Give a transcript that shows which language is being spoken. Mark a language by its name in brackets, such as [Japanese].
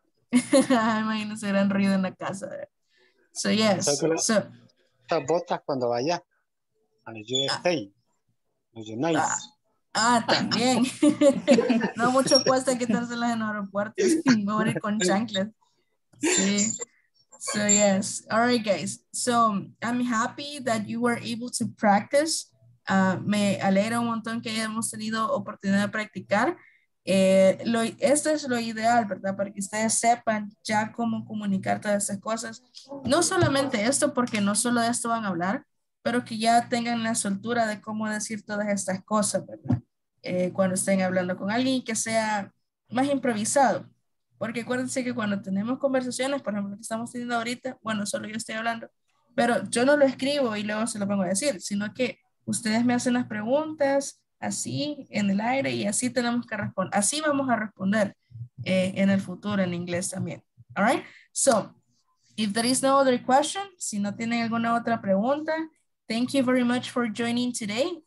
[Spanish] Imagínense, gran ruido en la casa. [English] So, yes. So, [Spanish] estas botas cuando vaya a la USA, a los United. También. No mucho cuesta quitárselas en aeropuertos y mover con chanclas. [English] Sí. So, yes. All right, guys. So, I'm happy that you were able to practice. [Spanish] Me alegra un montón que hayamos tenido oportunidad de practicar. Esto es lo ideal, ¿verdad? Para que ustedes sepan ya cómo comunicar todas esas cosas. No solamente esto, porque no solo de esto van a hablar, pero que ya tengan la soltura de cómo decir todas estas cosas, ¿verdad? Cuando estén hablando con alguien, que sea más improvisado. Porque acuérdense que cuando tenemos conversaciones, por ejemplo, que estamos teniendo ahorita, bueno, solo yo estoy hablando, pero yo no lo escribo y luego se lo pongo a decir, sino que ustedes me hacen las preguntas así en el aire y así tenemos que responder. Así vamos a responder en el futuro en inglés también. [English] All right? So, if there is no other question, [Spanish] si no tienen alguna otra pregunta, [English] thank you very much for joining today.